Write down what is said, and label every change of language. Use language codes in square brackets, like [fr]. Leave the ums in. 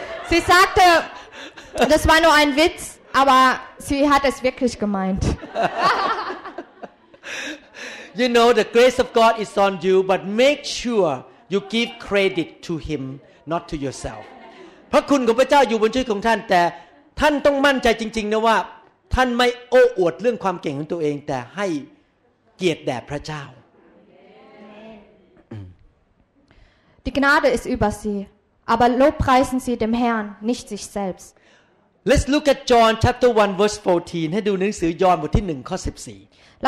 [de] Sie sagte das war nur ein Witz aber sie hat es wirklich gemeint [en] you know the grace of God is on you but make sure you give credit to him not to yourself [th] พระคุณของพระเจ้าอยู่บนชีวิตของท่าน แต่ท่านต้องมั่นใจจริงๆนะว่าท่านไม่โอ้อวดเรื่องความเก่งของตัวเอง แต่ให้เกียรติแด่พระเจ้า [de] Die Gnade ist über sie aber lobpreisen sie dem Herrn nicht sich selbst [en] Let's look at John chapter 1 verse 14 [th] ให้ดูหนังสือยอห์นบทที่1ข้อ14